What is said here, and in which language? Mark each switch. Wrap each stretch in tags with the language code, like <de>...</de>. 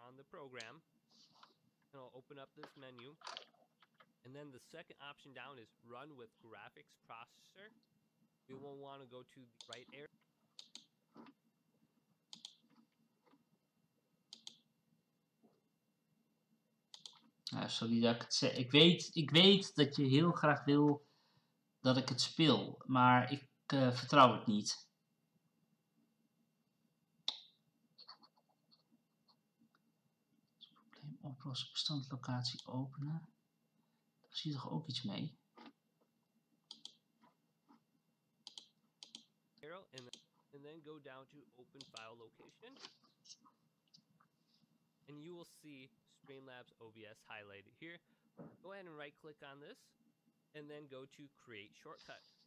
<en>Program and I'll open up this menu and then the second option down is run with graphics processor. We won't want to go to the right area.</en> <nl>Sorry dat ik het zeg. Ik weet dat je heel graag wil dat ik het speel, maar ik vertrouw het niet. Oplossen, bestandlocatie openen. Daar zie je toch ook iets mee?</nl> <en>And then go down to open file location. And you will see Streamlabs OBS highlighted here. Go ahead and right click on this. And then go to create shortcut.</en>